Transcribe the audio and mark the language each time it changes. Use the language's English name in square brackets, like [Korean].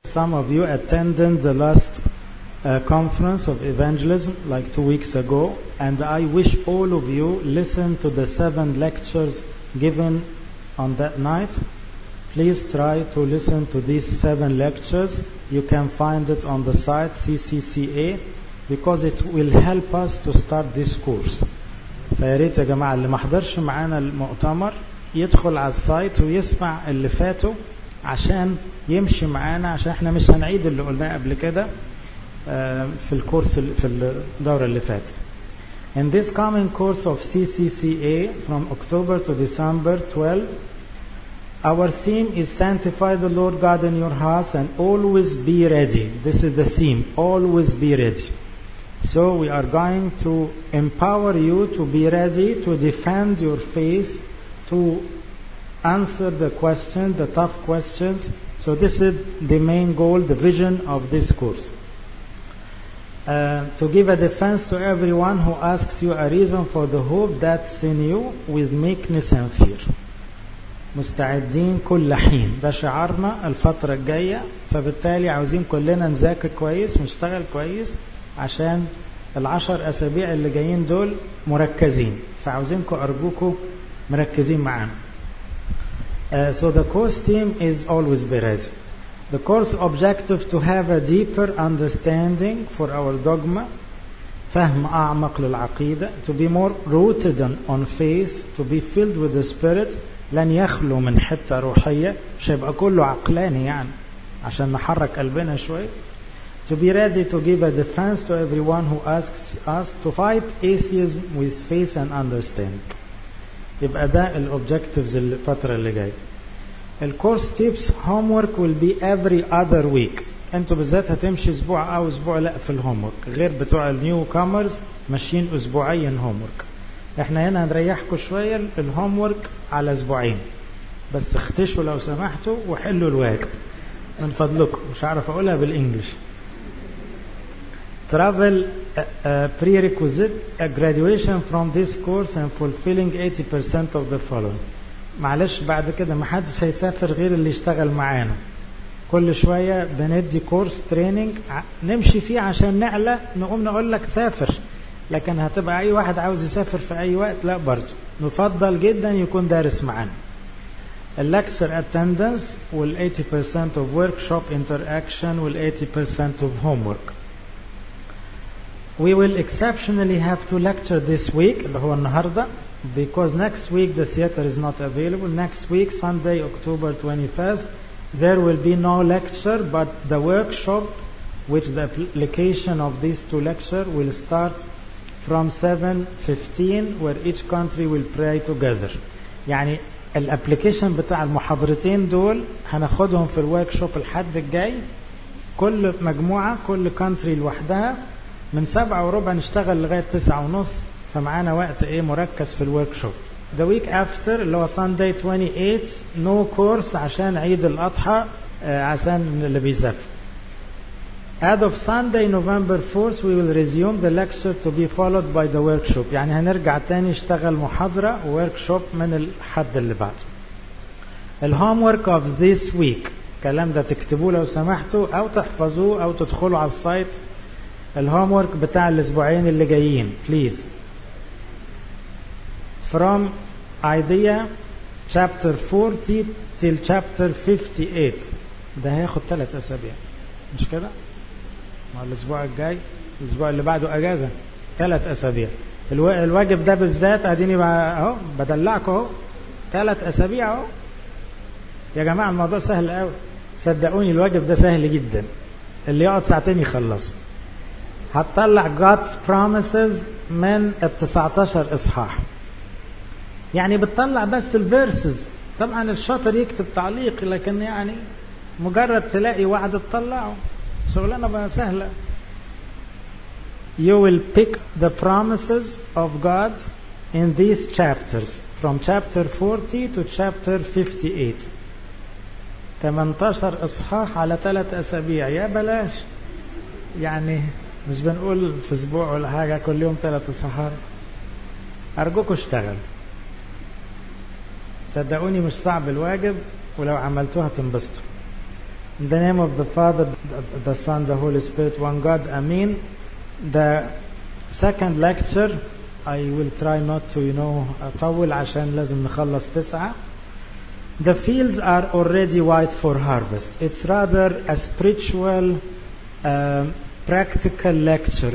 [English] some of you attended the last conference of evangelism like 2 weeks ago, and I wish all of you listened to the 7 lectures given on that night. Please try to listen to these 7 lectures. You can find it on the site CCCA, because it will help us to start this course. [Arabic] فياريت يا جماعة اللي ما حضرش معانا المؤتمر يدخل على السايت ويسمع اللي فاتوا عشان يمشي معانا، عشان احنا مش هنعيد اللي قلناه قبل كده في الكورس في الدورة اللي فاتت. [English] In this coming course of CCCA from October to December 12, our theme is sanctify the Lord God in your hearts and always be ready. This is the theme, always be ready. So we are going to empower you to be ready to defend your faith, to answer the questions, the tough questions. So this is the main goal, the vision of this course. To give a defense to everyone who asks you a reason for the hope that's in you with meekness and fear. [Arabic] مستعدين كل حين، ده شعارنا الفترة الجاية. فبالتالي عاوزين كلنا نذاكر كويس، نشتغل كويس، عشان العشر أسابيع اللي جايين دول مركزين. فعاوزينكم أرجوكم مركزين معانا. [English] So the course team is always be ready. The course objective to have a deeper understanding for our dogma, [Arabic] فهم أعمق للعقيدة, [English] to be more rooted on faith, to be filled with the spirit, [Arabic] لن يخلو من حتة روحية, شبه كله عقلاني يعني, عشان نحرك قلبنا شوي, [English] to be ready to give a defense to everyone who asks us, to fight atheism with faith and understanding. [Arabic] يبقى ده الobjectives الفترة اللي جاية. [English] The course tips homework will be every other week. [Arabic] انتوا بالذات هتمشي اسبوع او اسبوع لا في الهومورك، غير بتوع النيوكامرز ماشيين اسبوعيا هومورك. احنا هنا هنريحكم شويه، الهومورك على اسبوعين بس، اختشوا لو سمحتوا وحلوا الواجب من فضلكم. مش عارف اقولها بالانجلش. [English] Travel prerequisite a graduation from this course and fulfilling 80% of the following. [Arabic] معلش بعد كده محدش هيسافر غير اللي يشتغل معانا. كل شوية بندي كورس تريننج نمشي فيه عشان نعلى، نقوم نقول لك سافر، لكن هتبقى اي واحد عاوز يسافر في اي وقت لا، برضه نفضل جدا يكون دارس معانا. [English] اللكسر اتندنس وال 80% of workshop interaction وال 80% of homework. We will exceptionally have to lecture this week [Arabic] اللي هو النهاردة, [English] because next week the theater is not available. Next week, Sunday, October 21st, there will be no lecture, but the workshop with the application of these 2 lectures will start from 7:15, where each country will pray together. [Arabic] يعني الابليكيشن بتاع المحاضرتين دول هناخدهم في الوركشوب الحد الجاي، كل مجموعة كل country لوحدها من 7:15 نشتغل لغاية 9:30، فمعانا وقت ايه مركز في الوركشوب. [English] The week after [Arabic] اللي هو [English] Sunday 28 no course [Arabic] عشان عيد الاضحى عشان اللي بيسافر. [English] As of Sunday November 4th we will resume the lecture to be followed by the workshop. [Arabic] يعني هنرجع تاني اشتغل محاضرة وworkshop من الحد اللي بعد. [English] The homework of this week. [Arabic] كلام ده تكتبوه لو سمحتوا او تحفظوه او تدخلوا على السايت. [English] The homework [Arabic] بتاع الاسبوعين اللي جايين. [English] Please. From idea chapter 40 till chapter 58. [Arabic] ده هياخد 3 أسابيع مش كده؟ مع الأسبوع الجاي الأسبوع اللي بعده أجازة 3 أسابيع. الواجب ده بالذات أديني أهو بدلعكم أهو 3 أسابيع أهو يا جماعة. الموضوع سهل أوي، صدقوني الواجب ده سهل جدا، اللي يقعد ساعتين يخلص. هتطلع [English] God's promises [Arabic] من 19 إصحاح، يعني بتطلع بس الفيرسز. طبعا الشاطر يكتب تعليق، لكن يعني مجرد تلاقي وعد تطلعه شغلنا بقى سهلة. [English] You will pick the promises of God in these chapters from chapter 40 to chapter 58. [Arabic] 18 إصحاح على 3 أسابيع يا بلاش، يعني مش بنقول في أسبوع ولا حاجة كل يوم 3 إصحاح. أرجوكوا اشتغل، صدقوني مش صعب الواجب، ولو عملتوها تنبسطوا. [English] In the name of the Father, the Son, the Holy Spirit, one God, Amen. The second lecture, I will try not to, you know, [Arabic] أطول عشان لازم نخلص تسعة. [English] The fields are already white for harvest. It's rather a spiritual, practical lecture.